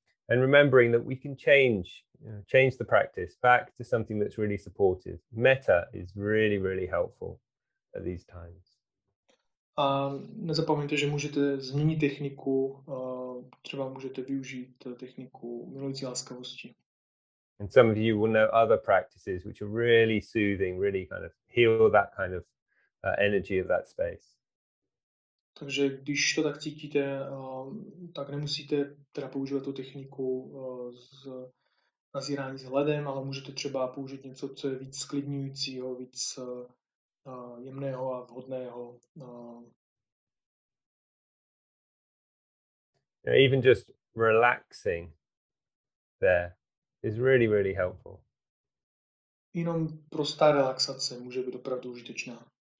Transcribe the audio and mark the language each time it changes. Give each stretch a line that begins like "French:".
English: And remembering that we can change the practice back to something that's really supportive. Metta is really, really helpful at these times.
Czech: A nezapomeňte, že můžete změnit techniku, třeba můžete využít techniku milující láskavosti.
English: And some of you will know other practices which are really soothing, really kind of heal that kind of energy of that space.
Czech: Takže když to tak cítíte, tak nemusíte teda používat tu techniku z nazírání vzhledem, ale můžete třeba použít něco, co je víc sklidňujícího, víc jemného a vhodného.
English: Even just relaxing there is really, really helpful.
Czech: Jenom prostá relaxace může být opravdu užitečná.